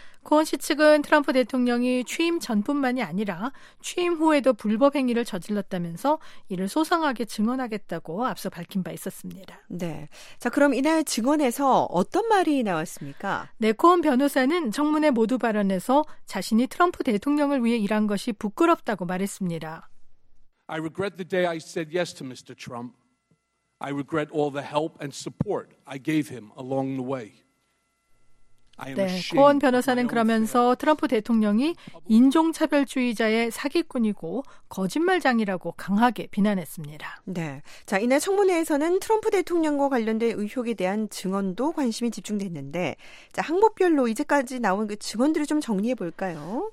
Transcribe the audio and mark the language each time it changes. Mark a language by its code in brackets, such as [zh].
[ko] 코언 씨 측은 트럼프 대통령이 취임 전뿐만이 아니라 취임 후에도 불법 행위를 저질렀다면서 이를 소상하게 증언하겠다고 앞서 밝힌 바 있었습니다. 네. 자, 그럼 이날 증언에서 어떤 말이 나왔습니까? 네, 코언 변호사는 청문회 모두 발언에서 자신이 트럼프 대통령을 위해 일한 것이 부끄럽다고 말했습니다. [en] I regret the day I said yes to Mr. Trump. I regret all the help and support I gave him along the way. [ko] 네, 코언 변호사는 그러면서 트럼프 대통령이 인종차별주의자의 사기꾼이고 거짓말장이라고 강하게 비난했습니다. 네, 자, 이날 청문회에서는 트럼프 대통령과 관련된 의혹에 대한 증언도 관심이 집중됐는데 자, 항목별로 이제까지 나온 그 증언들을 좀 정리해볼까요?